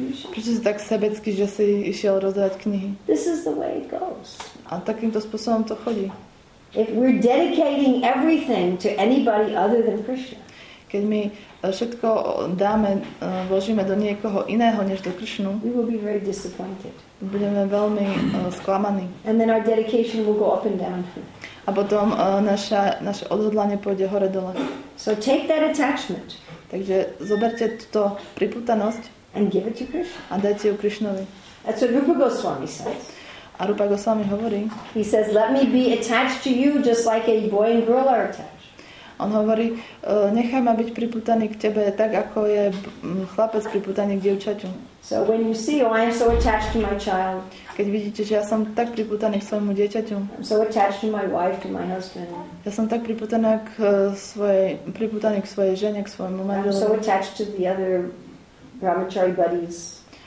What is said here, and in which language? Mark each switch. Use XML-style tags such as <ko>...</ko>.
<sk>Prečo si tak sebecký, že si išiel rozdávať knihy?</sk> <en>This is the way it goes.</en> <sk>A takýmto spôsobom to chodí.</sk> <en>If we're dedicating everything to anybody other than Krishna.</en> <sk>Keď my všetko dáme, vložíme do niekoho iného než do Krishnu,</sk> <en>we will be very disappointed.</en> <sk>Budeme veľmi sklamaní.</sk> <en>And then our dedication will go up and down.</en> <sk>A potom naše odhodlanie pôjde hore dole.</sk> <en>So take that attachment.</en> <sk>Takže zoberte túto pripútanosť</sk> <en>and give it to Krishna.</en> <sk>A dajte ju Krishnovi.</sk> <en>That's what Rupa Goswami says.</en> <sk>A Rupa Goswami hovorí.</sk> <en>He says, let me be attached to you just like a boy and girl are attached.</en> <sk>On hovorí, nechaj ma byť pripútaný k tebe tak, ako je chlapec pripútaný k dievčaťu.</sk> <en>So when you see, oh, I am so attached to my child.</en> <sk>Keď vidíte, že ja som tak pripútaný k svojmu dieťaťu.</sk> <en>I'm so attached to my wife, to my husband.</en> <sk>Ja som tak pripútaný k svojej žene, k svojmu manželovi.</sk> <en>I'm so attached to the other brahmachari buddies.</en>